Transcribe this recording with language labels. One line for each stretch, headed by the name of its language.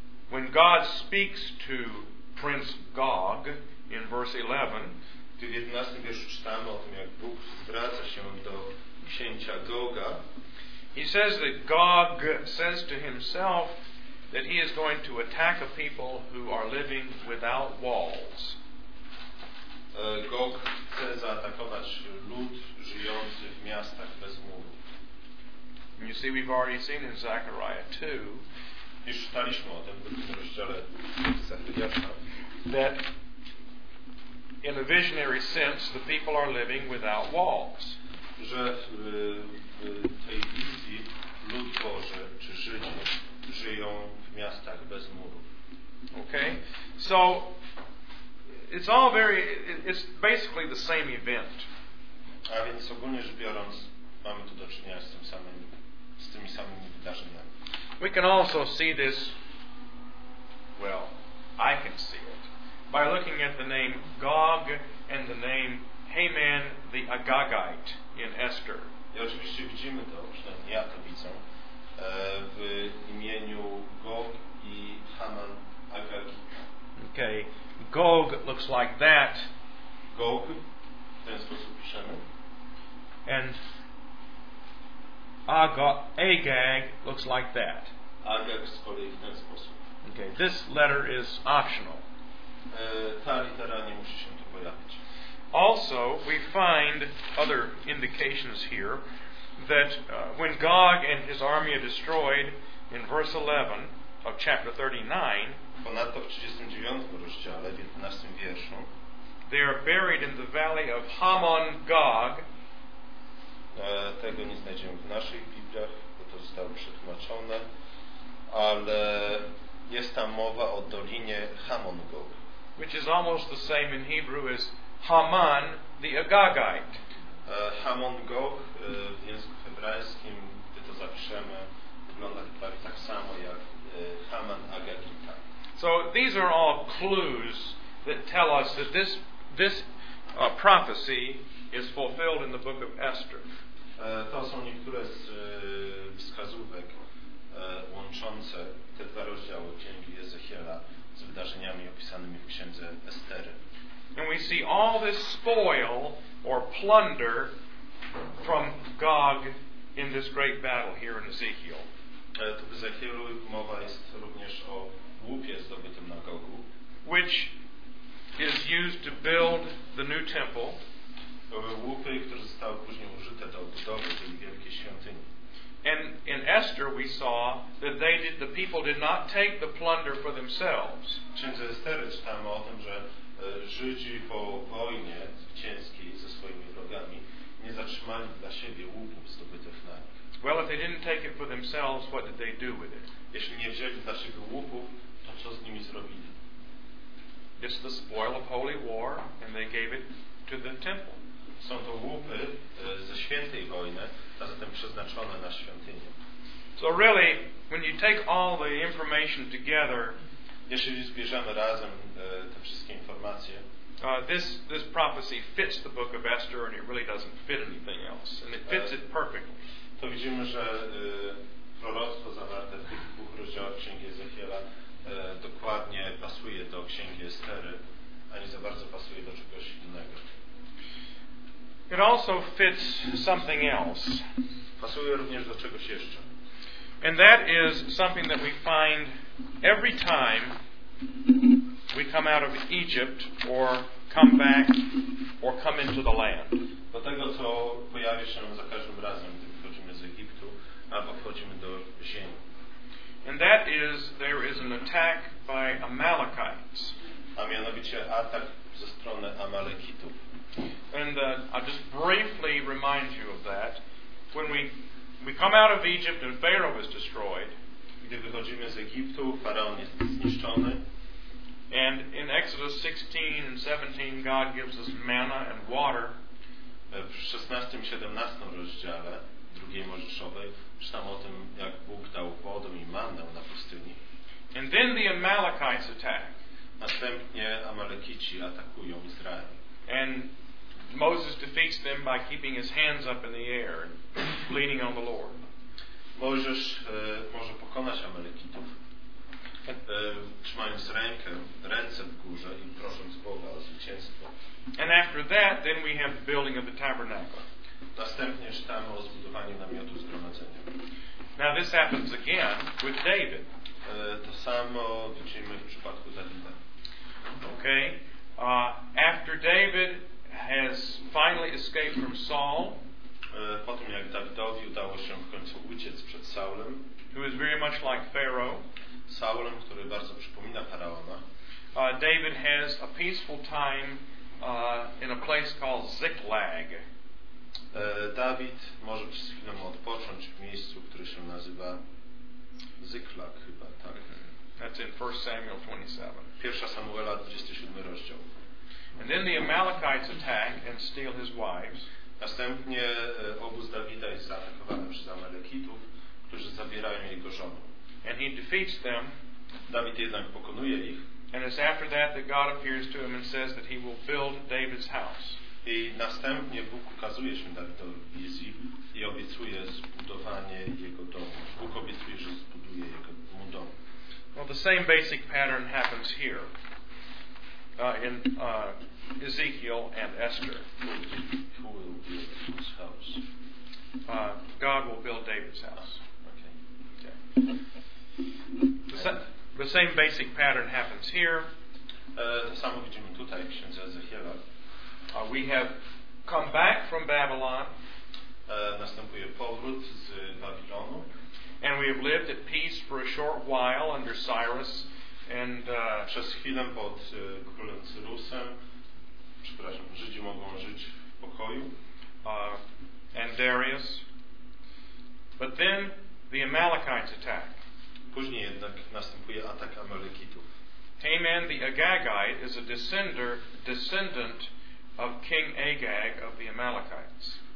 English: When God speaks to Prince Gog in verse 11,
Polish: gdy w 11 wierszu czytamy o tym, jak Bóg zwraca się do księcia Goga,
English: he says that Gog says to himself that he is going to attack a people who are living without walls.
Polish: Gog chce zaatakować lud żyjący w miastach bez murów.
English: You see, we've already seen in Zechariah 2,
Polish: już czytaliśmy o tym w drugim rozdziale
English: Zachariasza, that in a visionary sense the people are living without walls.
Polish: Że w tej wizji lud Boży czy Żydzi żyją w miastach bez murów.
English: Okay, so it's all very, it's basically the same event.
Polish: A więc ogólnie rzecz biorąc mamy tu do czynienia z tym samym, z tymi samymi wydarzeniami.
English: We can also see this, well, I can see it, by looking at the name Gog and the name Haman the Agagite in Esther.
Polish: I oczywiście widzimy to, przynajmniej ja to widzę, w imieniu Gog i Haman Agagite.
English: Okay, Gog looks like that.
Polish: Gog, w ten sposób piszemy.
English: And Agag looks like that.
Polish: Agag z kolei w ten sposób.
English: Okay, this letter is optional.
Polish: Ta litera nie musi się tu pojawić.
English: Also, we find other indications here that when Gog and his army are destroyed in verse 11 of chapter 39,
Polish: ponadto w 39 rozdziale, 15 wierszu,
English: they are buried in the valley of Hamon Gog.
Polish: Tego nie znajdziemy w naszych Bibliach, bo to zostało przetłumaczone, ale jest tam mowa o dolinie Hamon Gog,
English: which is almost the same in Hebrew as Haman the Agagite.
Polish: Hamon Gog w języku hebrajskim, gdy to zapiszemy, wygląda prawie tak samo jak Haman Agagita.
English: So these are all clues that tell us that this prophecy is fulfilled in the book of Esther.
Polish: To są niektóre z wskazówek łączące te dwa rozdziały księgi Ezechiela z wydarzeniami opisanymi w księdze Estery.
English: And we see all this spoil or plunder from Gog in this great battle here in Ezekiel.
Polish: To w Ezechielu mowa jest również o łupie zdobytym na Gogu,
English: which is used to build the new temple.
Polish: Łupy, które zostały później użyte do budowy tej wielkiej świątyni.
English: And in Esther we saw that they did, the people did not take the plunder for themselves.
Polish: W księdze Estery czytamy o tym, że Żydzi po wojnie zwycięskiej ze swoimi wrogami nie zatrzymali dla siebie łupów zdobytych na nich.
English: Well, if they didn't take it for themselves, what did they do with it?
Polish: Jeśli nie wzięli dla siebie łupów, to co z nimi zrobili?
English: It's the spoil of holy war, and they gave it to the temple.
Polish: Są to łupy ze świętej wojny, a zatem przeznaczone na świątynię.
English: So really, when you take all the information together,
Polish: jeżeli zbierzemy razem te wszystkie informacje,
English: this prophecy fits the book of Esther, and it really doesn't fit anything else, and it fits it perfectly.
Polish: To widzimy, że proroctwo zawarte w tych dwóch rozdziałach Księgi Ezechiela dokładnie pasuje do Księgi Estery, a nie za bardzo pasuje do czegoś innego.
English: It also fits something else.
Polish: Pasuje również do czegoś jeszcze.
English: And that is something that we find every time we come out of Egypt or come back or come into the land.
Polish: Do tego, co pojawia się za każdym razem, gdy wchodzimy z Egiptu albo wchodzimy do ziemi.
English: And that is, there is an attack by Amalekites.
Polish: A mianowicie atak ze strony Amalekitów.
English: And I'll just briefly remind you of that. When we come out of Egypt and Pharaoh is destroyed,
Polish: gdy wychodzimy z Egiptu, Faraon jest zniszczony.
English: And in Exodus 16 and 17, God gives us manna and water.
Polish: W 16 i 17 rozdziale drugiej Mojżeszowej czytamy o tym, jak Bóg dał wodę i mannę na pustyni.
English: And then the Amalekites attack.
Polish: Następnie Amalekici atakują Izrael.
English: And Moses defeats them by keeping his hands up in the air and leaning on the Lord.
Polish: Mojżesz może pokonać Amalekitów, trzymając ręce w górze i prosząc Boga o zwycięstwo.
English: And after that, then we have the building of the tabernacle.
Polish: Następnie czytamy o zbudowaniu namiotu zgromadzenia.
English: Now this happens again with David.
Polish: To samo widzimy w przypadku Dawida.
English: Okay. After David has finally escaped from Saul,
Polish: po tym jak Dawidowi udało się w końcu uciec przed Saulem,
English: who is very much like Pharaoh,
Polish: Saulem, który bardzo przypomina Faraona,
English: David has a peaceful time in a place called Ziklag.
Polish: Dawid może przez chwilę odpocząć w miejscu, które się nazywa Ziklag, chyba tak.
English: That's in 1 Samuel 27.
Polish: Pierwsza Samuela, 27 rozdział.
English: And then the Amalekites attack and steal his wives.
Polish: Następnie obóz Dawida jest zaatakowany przez Amalekitów, którzy zabierają jego żonę.
English: And he defeats them.
Polish: Dawid jednak pokonuje ich.
English: And it's after that that God appears to him and says that he will build David's house.
Polish: I następnie Bóg ukazuje się Dawidowi w wizji i obiecuje zbudowanie jego domu. Bóg obiecuje, że zbuduje jego mu dom.
English: Well, the same basic pattern happens here in Ezekiel and Esther. Who will build his house? God will build David's house. Okay. Okay. The same basic pattern happens here.
Polish: Samo widzimy tutaj w księdze Ezechiela.
English: We have come back from Babylon.
Polish: Następuje powrót z Babilonu.
English: And we have lived at peace for a short while under Cyrus and
Polish: przez chwilę pod królem Cyrusem, przepraszam, Żydzi mogą żyć w pokoju,
English: and Darius. But then the Amalekites attack.
Polish: Później jednak następuje atak Amalekitów.
English: Haman the Agagite is a descendant of King Agag of the Amalekites.